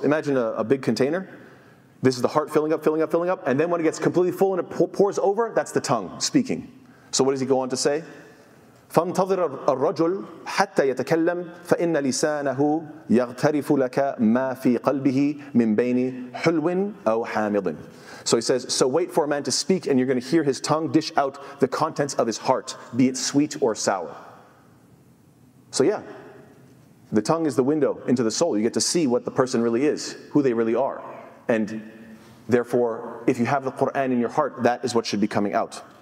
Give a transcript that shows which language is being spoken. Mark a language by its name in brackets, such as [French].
[English] Imagine a big container. This is the heart filling up, and then when it gets completely full and it pours over, that's the tongue speaking. So what does he go on to say? [Arabic] فانتظر الرجل حتى يتكلم فإن لسانه يغترف لك ما في قلبه من بين حلو أو حامض. [English] So he says, so wait for a man to speak and you're going to hear his tongue dish out the contents of his heart, be it sweet or sour. So yeah, the tongue is the window into the soul. You get to see what the person really is, who they really are. And therefore, if you have the Quran in your heart, that is what should be coming out.